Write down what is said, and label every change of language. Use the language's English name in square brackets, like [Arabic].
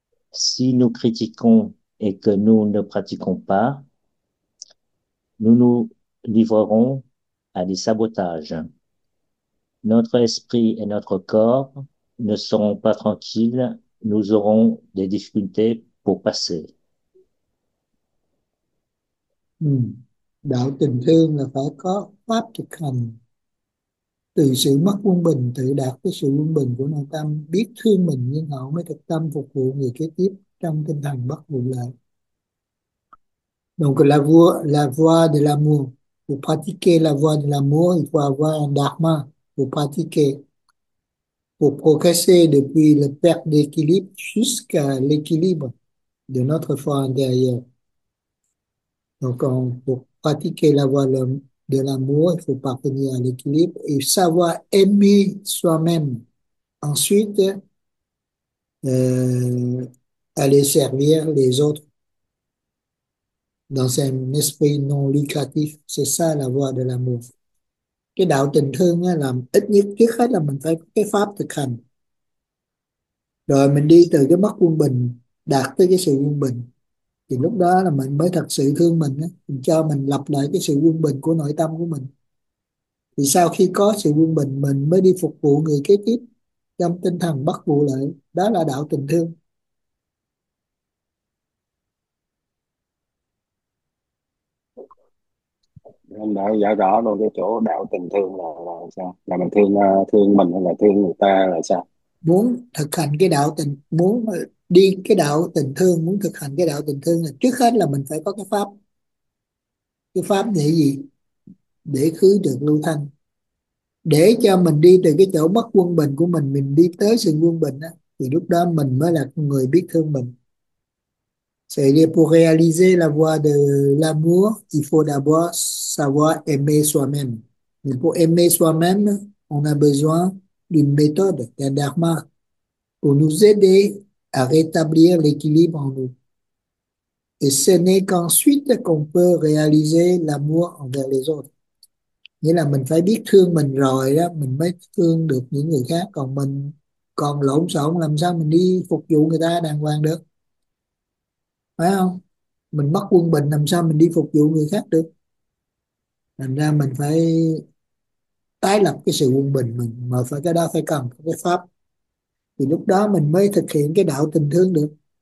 [French] Si nous critiquons et que nous ne pratiquons pas, nous nous livrerons à des sabotages. Notre esprit et notre corps ne seront pas tranquilles, nous aurons des difficultés pour passer. [Vietnamese] Đạo tình thương là phải có pháp thực hành, từ sự mất quân bình tự đạt cái sự quân bình của nội tâm, biết thương mình nhưng họ mới thực tâm phục vụ người kế tiếp trong tinh thần bất vụ lợi. [French] Donc la voie de l'amour, pour pratiquer la voie de l'amour, il faut avoir un dharma pour pratiquer, pour progresser depuis la perte d'équilibre jusqu'à l'équilibre de notre foi intérieure. Donc, pour pratiquer la voie de l'amour, il faut parvenir à l'équilibre et savoir aimer soi-même. Ensuite, aller servir les autres dans un esprit non lucratif. C'est ça la voie de l'amour. [Vietnamese] cái đạo tình thương á, là ít nhất trước hết là mình phải có cái pháp thực hành, rồi mình đi từ cái mức quân bình đạt tới cái sự quân bình, thì lúc đó là mình mới thật sự thương mình á, mình cho mình lập lại cái sự quân bình của nội tâm của mình. Thì sau khi có sự quân bình, mình mới đi phục vụ người kế tiếp trong tinh thần bất vụ lợi, đó là đạo tình thương. Em đã giải rõ luôn cái chỗ đạo tình thương là sao, là mình thương thương mình hay là thương người ta là sao? Muốn thực hành cái đạo tình, muốn đi cái đạo tình thương, muốn thực hành cái đạo tình thương là trước hết là mình phải có cái pháp. Cái pháp để gì? Để khứ trượt lưu thanh, để cho mình đi từ cái chỗ mất quân bình của mình đi tới sự quân bình đó, thì lúc đó mình mới là người biết thương mình. [French] C'est pour réaliser la voie de l'amour, il faut d'abord savoir aimer soi-même. Mais pour aimer soi-même, on a besoin d'une méthode, d'un dharma, pour nous aider à rétablir l'équilibre en nous. Et ce n'est qu'ensuite qu'on peut réaliser l'amour envers les autres. [Vietnamese] Nghĩa là mình phải biết thương mình rồi đó, mình mới thương được những người khác. Còn mình còn lộn xộn, làm sao mình đi phục vụ người ta đàng hoàng được? Phải không? Mình mất quân bình, làm sao mình đi phục vụ người khác được? Thành ra mình phải tái lập cái sự quân bình mình, mà phải cái đó phải cần cái pháp, thì lúc đó mình mới thực hiện cái đạo tình thương được.